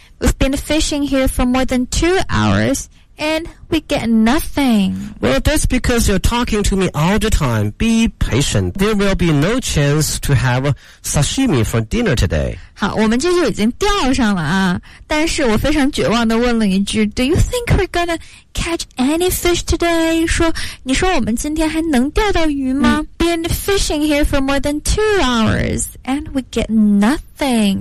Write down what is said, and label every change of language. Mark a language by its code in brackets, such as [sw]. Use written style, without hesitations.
[en] We've been fishing here for more than 2 hours, and we get nothing. Well, that's because you're talking to me all the time. Be patient. There will be no chance to have sashimi for dinner today. [zh] 好，我们这就已经钓上了啊！但是我非常绝望地问了一句 ： [en] Do you think we're gonna catch any fish today? [zh] 说，你说我们今天还能钓到鱼吗？ [en] 嗯Been fishing here for more than 2 hours, and we get nothing.